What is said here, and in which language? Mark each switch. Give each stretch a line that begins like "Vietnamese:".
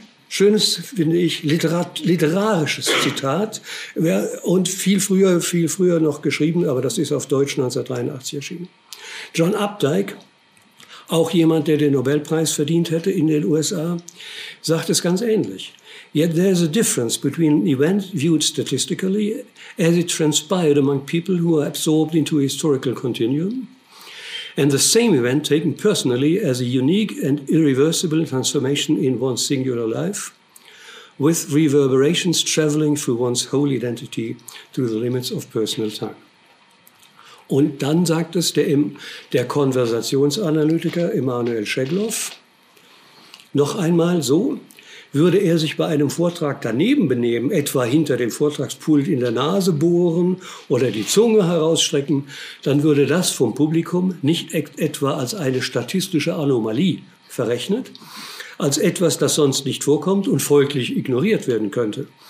German: Schönes, finde ich, literarisches Zitat, und viel früher noch geschrieben, aber das ist auf Deutsch 1983 erschienen. John Updike, auch jemand, der den Nobelpreis verdient hätte in den USA, sagt es ganz ähnlich.
English: Yet there is a difference between an event viewed statistically as it transpired among people who are absorbed into a historical continuum and the same event taken personally as a unique and irreversible transformation in one's singular life with reverberations traveling through one's whole identity through the limits of personal time.
German: Und dann sagt es der Konversationsanalytiker Immanuel Schegloff noch einmal so, würde er sich bei einem Vortrag daneben benehmen, etwa hinter dem Vortragspult in der Nase bohren oder die Zunge herausstrecken, dann würde das vom Publikum nicht etwa als eine statistische Anomalie verrechnet, als etwas, das sonst nicht vorkommt und folglich ignoriert werden könnte.